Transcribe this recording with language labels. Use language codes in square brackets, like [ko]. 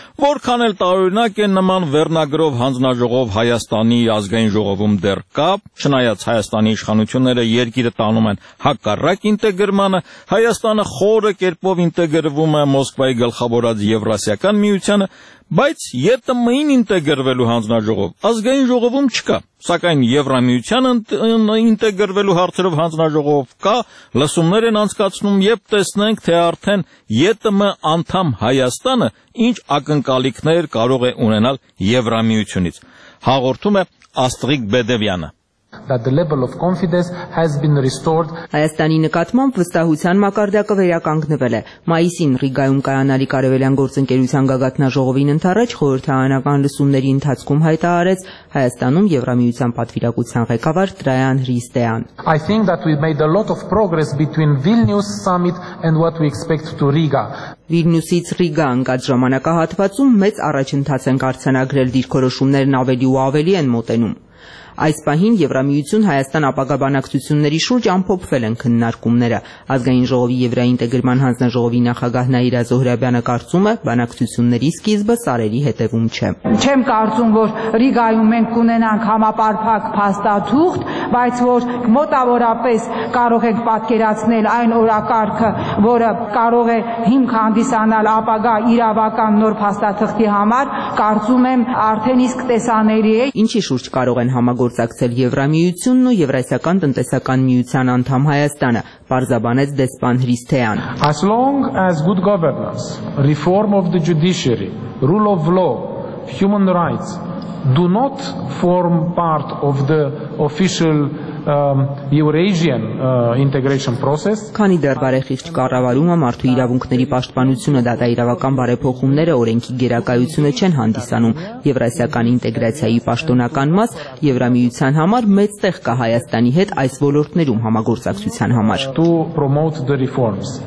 [hy] որքան էլ տարօրինակ է նման վերնագրով հանձնաժողով Հայաստանի ազգային ժողովում դեռ կա, չնայած Հայաստանի իշխանությունները երկիրը տանում են հակառակ ինտեգրմանը, Հայաստանը խորը կերպով ինտեգրվում է Մոսկվայի գլխավորած Եվրասիական միությանը, բայց ԵՏՄ-ին ինտեգրվելու հանձնաժողով ազգային ժողովում չկա, սակայն Եվրամիության ինտեգրվելու հարցերով հանձնաժողով կա, լսումներ են անցկացնում, երբ տեսնենք, թե արդեն ԵՏՄ անդամ Հայաստանը ինչ ակնկալիքներ կարող է ունենալ Եվրամիությունից, հաղորդում է Աստղիկ Բեդևյանը. [en] That the level of confidence has been restored. [hy] Հայաստանի նկատմամբ վստահության մակարդակը վերականգնվել է։ Մայիսին Ռիգայում կայանալի Կարևելյան գործընկերության գագաթնաժողովին ընդառաջ խորհրդարանական լսումների ընթացքում հայտարարեց Հայաստանում Եվրամիության պատվիրակության ղեկավար Տրայան Հրիստեան. [en] I think that we made a lot of progress between Vilnius summit and what we expect to Riga. [hy] Վիլնյուսից Ռիգա անցած ժամանակահատվածում մեծ առաջընթաց են արձանագրել, դիրքորոշումներն ավելի ու ավելի են մոտենում։ Այս պահին Եվրամիություն Հայաստան ապագաբանակցությունների շուրջ ամփոփվել են քննարկումները։ Ազգային ժողովի Եվրաինտեգրման հանձնաժողովի նախագահ Նաիրա Զոհրաբյանը կարծում է, բանակցությունների սկիզբը սարերի հետևում չէ։ Չեմ կարծում, որ Ռիգայում մենք կունենանք համապարփակ փաստաթուղթ, բայց որ մոտավորապես կարող ենք պատկերացնել այն օրակարգը, որը կարող է հիմք հանդիսանալ ապագա իրավական նոր փաստաթղթի համար, կարծում եմ արդեն իսկ տեսանելի է։ Ինչի շուրջ կարող են համագործակցել Եվրամիությունն ու Եվրասիական տնտեսական միության անդամ Հայաստանը, պարզաբանեց դեսպան Հրիստեան. [en] As long as good governance, reform of the judiciary, rule of law, human rights do not form part of the official Eurasian integration process. [hy] Քանի դեռ բարեխիղճ կառավարումը մարդու իրավունքների պաշտպանությունը դատաիրավական բարեփոխումները օրենքի գերակայությունը չեն հանդիսանում, եվրասիական ինտեգրացիայի պաշտոնական մաս Եվրամիության համար մեծ տեղ կա Հայաստանի հետ այս ոլորտներում համագործակցության համար. [en] To promote the reforms.